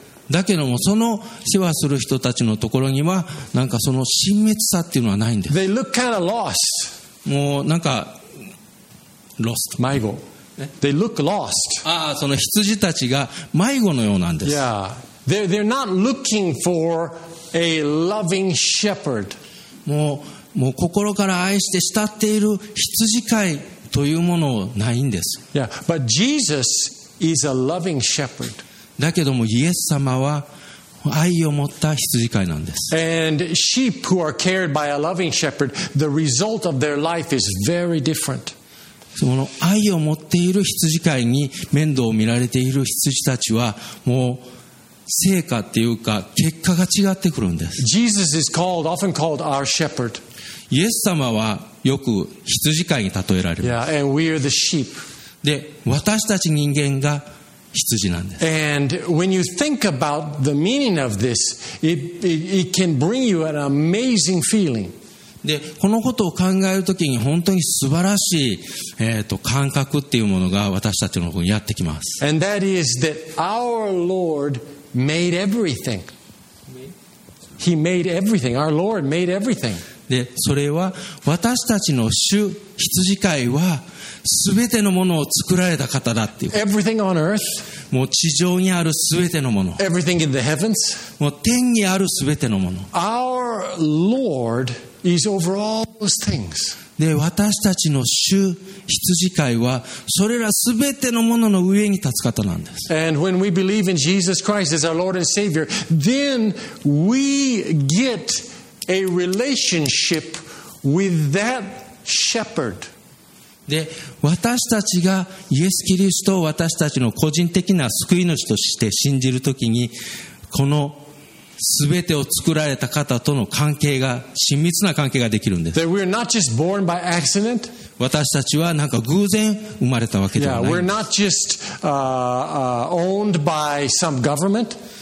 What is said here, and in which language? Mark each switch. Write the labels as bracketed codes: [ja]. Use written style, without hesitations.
[ja] だけどもその世話する人たちのところにはなんかその親密さっていうのはないんです。 [en] They look kind of lost. [ja] もうなんか lost [en] 迷子。They look lost. [ja] ああその羊たちが迷子のようなんです。 Yeah. [en] They're not looking for a loving shepherd. [ja] もうもう心から愛して慕っている羊飼いというものはないんです。 [en] Yeah, but Jesus is a loving shepherd. [ja] だけどもイエス様は愛を持った羊飼いなんです。 [en] And sheep who are cared by a loving shepherd, the result of their life is very different. [ja] その愛を持っている羊飼いに面倒を見られている羊たちはもう成果っていうか結果が違ってくるんです。 [en] Jesus is called, often called our shepherd. [ja] イエス様はよく羊飼いに例えられます。 [en] Yeah, and we are the sheep. [ja] で、私たち人間が羊なんです。 [en] And when you think about the meaning of this, it can bring you an amazing feeling. [ja] で、このことを考えるときに本当に素晴らしい、感覚っていうものが私たちの方にやってきます。 [en] And that is that our Lord made everything. He made everything. Our Lord made everything. [ja] でそれは私たちの主羊飼いは全てのものを作られた方だっていう。 [en] Everything on earth, [ja] もう地上にある全てのもの。 [en] Everything in the heavens, [ja] もう天にある全てのもの。 [en] Our Lord is over all those things. [ja] で私たちの主羊飼いはそれら全てのものの上に立つ方なんです。 [en] And when we believe in Jesus Christ as our Lord and Savior, then we getA relationship with that shepherd. [ja] で、私たちがイエス・キリストを私たちの個人的な救い主として信じるときに、この全てを作られた方との関係が親密な関係ができるんです。 [en] That we're not just born by accident. [ja] 私たちはなんか偶然生まれたわけではない。 [en] Yeah, we're not just owned by some government.